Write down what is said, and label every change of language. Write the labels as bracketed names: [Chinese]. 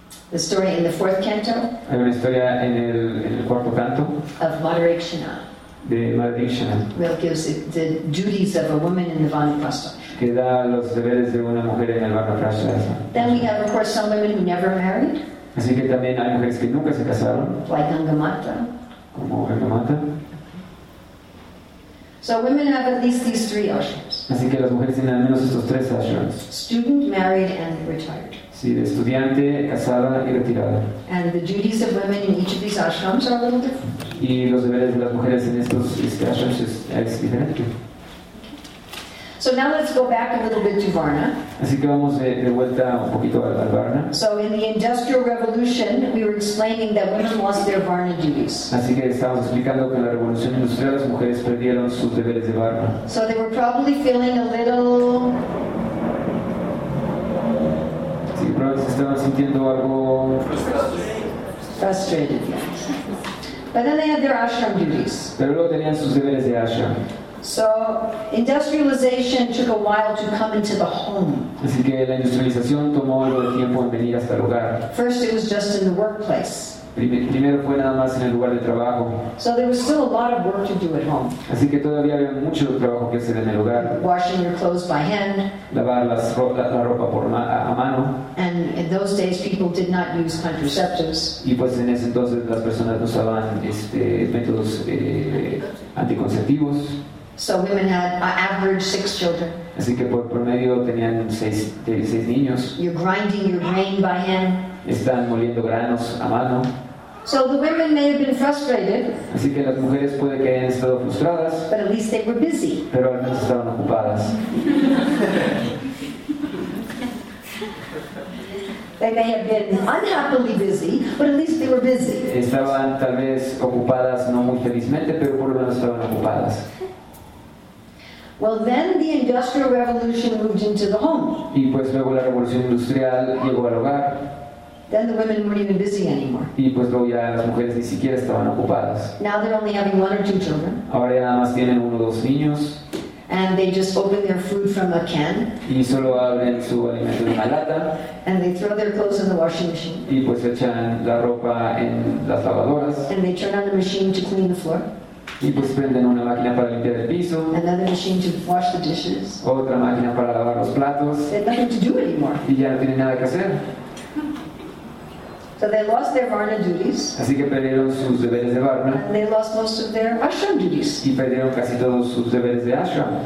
[English] The story in the fourth canto. [Spanish] Hay una historia en el cuarto canto. [English] Of Madhurikshana. [Spanish] De Madhurikshana. [English] Well, gives it the duties of a woman in the Vanaprastha. [Spanish] Que da los deberes de una mujer en el Vanaprastha. [English] Then we have, of course, some women who never married. [Spanish] Así que también hay mujeres que nunca se casaron. [English] Like Angamata. [Spanish] Como Angamata. [English] So women have at least these three ashrams. [Spanish] Así que las mujeres tienen al menos estos tres ashrams. [English] Student, married, and retired. [Spanish] Sí, de estudiante, casada y retirada. [English] And the duties of women in each of these ashrams are a little different. [Spanish] Y los deberes de las mujeres en estos ashrams es diferente. [English] So now let's go back a little bit to Varna. [Spanish] Así que vamos de vuelta un poquito a Varna. [English] So in the Industrial Revolution, we were explaining that women lost their Varna duties. [Spanish] Así que estábamos explicando que en la Revolución Industrial las mujeres perdieron sus deberes de Varna. [English] So they were probably feeling a little... [Spanish] Sí, probablemente se estaban sintiendo algo... [English] Frustrated, yes. But then they had their ashram duties. [Spanish] Pero luego tenían sus deberes de ashram. [English] So industrialization took a while to come into the home. [Spanish] Así que la industrialización tomó algo de tiempo en venir hasta el hogar. [English] First it was just in the workplace. [Spanish] Primero fue nada más en el lugar de trabajo. [English] So there was still a lot of work to do at home. [Spanish] Así que todavía había mucho trabajo que hacer en el hogar. [English] Washing your clothes by hand. [Spanish] Lavar la ropa a mano. [English] And in those days people did not use contraceptives. [Spanish] Y pues en ese entonces las personas no usaban métodos anticonceptivos. [English] So women had an average 6 children. [Spanish] Así que por promedio tenían 6 niños. [English] You're grinding your grain by hand. [Spanish] Están moliendo granos a mano. [English] So the women may have been frustrated. [Spanish] Así que las mujeres puede que hayan estado frustradas. [English] But at least they were busy. [Spanish] Pero al menos estaban ocupadas. [English] They may have been unhappily busy, but at least they were busy. [Spanish] Estaban tal vez ocupadas, no muy felizmente, pero por lo menos estaban ocupadas. [English] Well, then the Industrial Revolution moved into the home. [Spanish] Y pues luego la Revolución Industrial llegó al hogar. [English] Then the women weren't even busy anymore. [Spanish] Y pues luego ya las mujeres ni siquiera estaban ocupadas. [English] Now they're only having one or two children. [Spanish] Ahora ya nada más tienen uno o dos niños. [English] And they just open their food from a can. [Spanish] Y solo abren su alimento de una lata. [English] And they throw their clothes in the washing machine. [Spanish] Y pues echan la ropa en las lavadoras. [English] And they turn on the machine to clean the floor. [Spanish] Y pues prenden una máquina para limpiar el piso. [English] Another machine to wash the dishes. [Spanish] Otra máquina para lavar los platos. [English] They have nothing to do anymore. [Spanish] Y ya no tienen nada que hacer. [English] So they lost their varna duties. [Spanish] Así que perdieron sus deberes de varna. [English] And they lost most of their ashram duties. [Spanish] Y perdieron casi todos sus deberes de ashram.